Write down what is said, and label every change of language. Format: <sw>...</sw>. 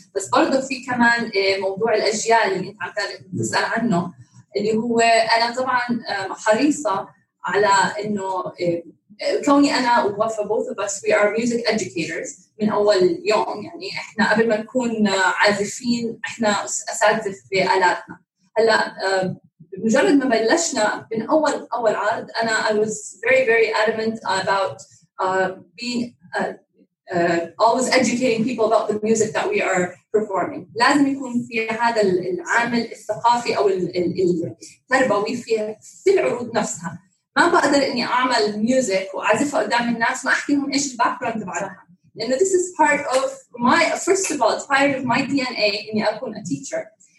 <ar>بس برضه في كمان موضوع الأجيال اللي أنت عم تسأل عنه، اللي هو أنا طبعاً حريصة على إنه كوني أنا ووفا</ar> <en>both of us we are music educators</en> <ar>من أول يوم، يعني إحنا قبل ما نكون عازفين إحنا أساتذة في آلاتنا. هلا مجرد ما بلشنا من أول عرض أنا</ar> <en>I was very very adamant about being always educating people about the music that we are performing.</en> <ar>لازم يكون في هذا العامل الثقافي أو التربوي في العروض نفسها. ما بقدر إني أعمل ميوزك وأعزفها قدام الناس ما أحكيهم إيش الباك جراوند تبعها، لأنه</ar> <en>this is part of my first of all it's part of my DNA</en> <ar>إني أكون</ar> <en>a teacher.</en>